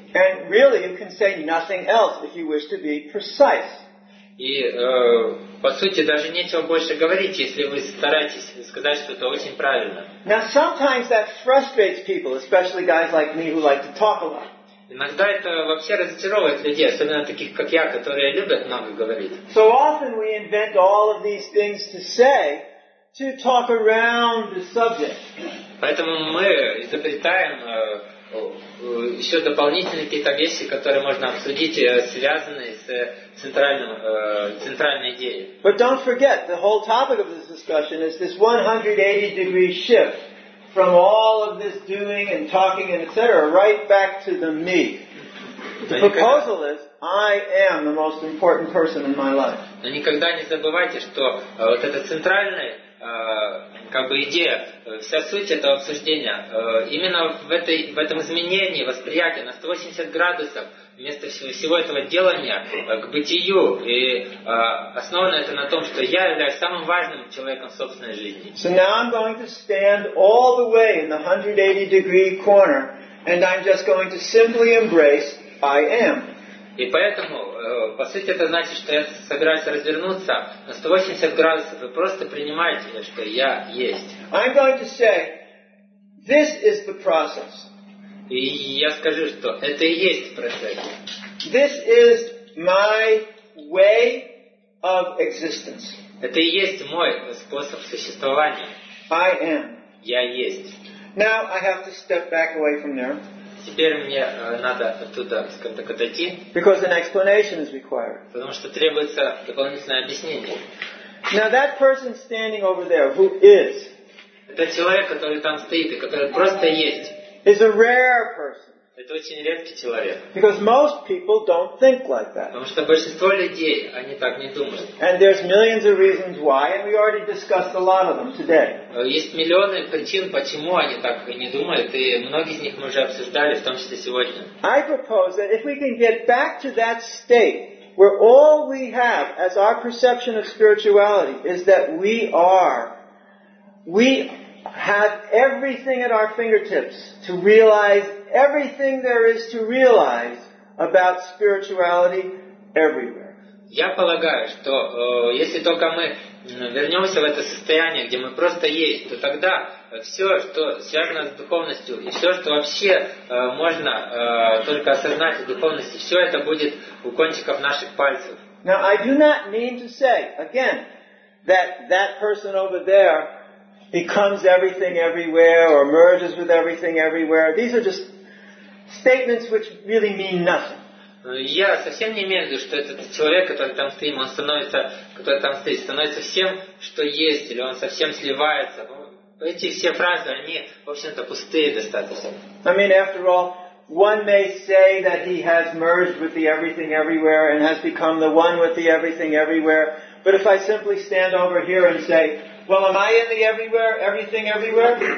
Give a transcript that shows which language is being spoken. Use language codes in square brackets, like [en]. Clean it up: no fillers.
[en] And really, you can say nothing else if you wish to be precise. [ru] И по сути даже нечего больше говорить, если вы стараетесь сказать что-то очень правильно. [en] Now sometimes that frustrates people, especially guys like me who like to talk a lot. [ru] Иногда это вообще разочаровывает людей, особенно таких как я, которые любят много говорить. [en] So often we invent all of these things to say to talk around the subject. [ru] Поэтому мы изобретаем еще дополнительные какие-то вещи, которые можно обсудить, связанные с центральной идеей. [en] But don't forget, the whole topic of this discussion is this 180 degree shift from all of this doing and talking and etc. right back to the me. The proposal is, I am the most important person in my life. [ru] Но никогда не забывайте, что вот эта центральная как бы идея, вся суть этого обсуждения именно в этом изменении восприятия на 180 градусов вместо всего этого делания к бытию, и основано это на том, что я являюсь самым важным человеком в собственной жизни. [en] So now I'm going to stand all the way in the 180 degree corner and I'm just going to simply embrace I am. [ru] И поэтому, по сути, это значит, что я собираюсь развернуться на 180 градусов и просто принимать, что я есть. [en] I'm going to say, this is the process. [ru] И я скажу, что это и есть процесс. [en] This is my way of existence. [ru] Это и есть мой способ существования. [en] I am. [ru] Я есть. [en] Now I have to step back away from there. [ru] Теперь мне надо оттуда, скажем так, отойти. [en] Because an explanation is required. [ru] Потому что требуется дополнительное объяснение. [en] Now that person standing over there, who is? [ru] Это человек, который там стоит и который просто есть. [en] Is a rare person. [ru] Это очень редкий человек. [en] Because most people don't think like that. [ru] Потому что большинство людей, они так не думают. [en] And there's millions of reasons why, and we already discussed a lot of them today. [ru] Есть миллионы причин, почему они так не думают, и многие из них мы уже обсуждали, в том числе сегодня. [en] I propose that if we can get back to that state where all we have as our perception of spirituality is that we have everything at our fingertips to realize everything there is to realize about spirituality everywhere. [ru] Я полагаю, что если только мы вернемся в это состояние, где мы просто есть, то тогда все, что связано с духовностью, и все, что вообще можно только осознать в духовности, все это будет у кончиков наших пальцев. [en] Now, I do not mean to say, again, that that person over there becomes everything everywhere or merges with everything everywhere. These are just statements which really mean nothing. [ru] Я совсем не имею в виду, что этот человек, который там стоит, становится всем, что есть, или он совсем сливается. Эти все фразы, они, в общем-то, пустые достаточно. [en] I mean, after all, one may say that he has merged with the everything everywhere and has become the one with the everything everywhere. But if I simply stand over here and say, well, am I in the everywhere, everything everywhere?